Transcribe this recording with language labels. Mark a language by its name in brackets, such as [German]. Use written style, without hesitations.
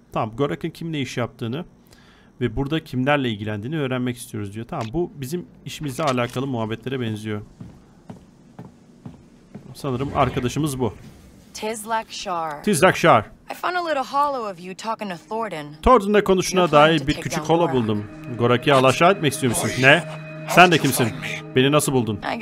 [Turkish] Tamam, Gorak'ın kim ne iş yaptığını ve burada kimlerle ilgilendiğini öğrenmek istiyoruz diyor. Tamam, bu bizim işimizle alakalı muhabbetlere benziyor. Sanırım arkadaşımız bu. Tizlakshar. [English] I found a little hollow of you talking to Thordin. [Turkish] Thordin'le konuşuna dair bir küçük holo buldum. Gorak'ı alaşağı etmek istiyor musun? Ne? Sen de kimsin? Beni nasıl buldun?